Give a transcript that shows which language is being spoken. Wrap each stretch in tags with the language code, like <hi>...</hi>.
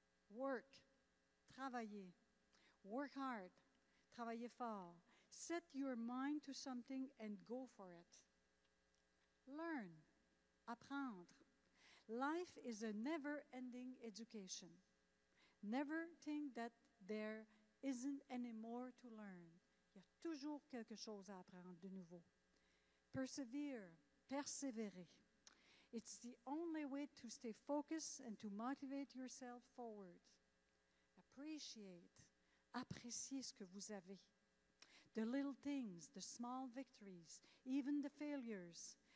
<en>Work.</en> <fr>Travailler.</fr> <en>Work hard.</en> <fr>Travaillez fort.</fr> <en>Set your mind to something and go for it. Learn.</en> <fr>Apprendre.</fr> <en>Life is a never-ending education. Never think that there isn't any more to learn.</en> <fr>Il y a toujours quelque chose à apprendre de nouveau.</fr> <en>Persevere.</en> <fr>Persévérer.</fr> <en>It's the only way to stay focused and to motivate yourself forward. Appreciate.</en> <fr>Appréciez ce que vous avez.</fr> <en>The little things, the small victories, even the failures.</en>